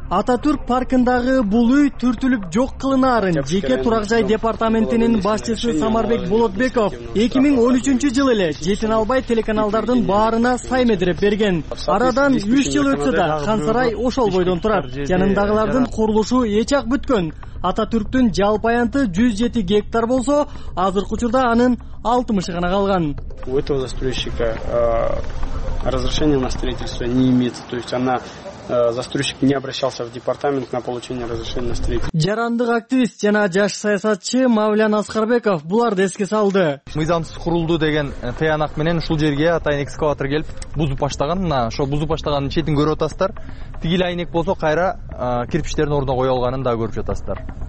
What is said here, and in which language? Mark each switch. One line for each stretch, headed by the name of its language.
Kyrgyz: Ататүрк паркындагы бул үй түртүлүп жок кылынаарын жеке турак жай департаментинин башчысы Самарбек Болотбеков 2013 жыл эле жетине албай телеканалдардын баарына сай медиреп берген. Арадан 3 жыл өтсө да хан сарай ошол бойдон турат. Жанындагылардын курулушу эч ак бүткөн. Ататүрктүн жалпы аянты 107 гектар болсо, азыркы учурда анын 60 гана калган.
Russian: У этого застройщика разрешение на строительство не имеется, то есть она застройщик не обращался в департамент на получение разрешения на строительство.
Kyrgyz: Жарандык активист жана жаш саясатчы Мавлян Аскарбеков буларды эске салды. Мыйзамсыз курулду деген тыянак менен ушул жерге атайын экскаватор келип бузуп баштаган. Мына ошо бузуп баштаганын четин көрүп атасыздар. Тигил айнек болсо кайра кирпичтердин ордуна кое алганын дагы көрүп жатасыздар.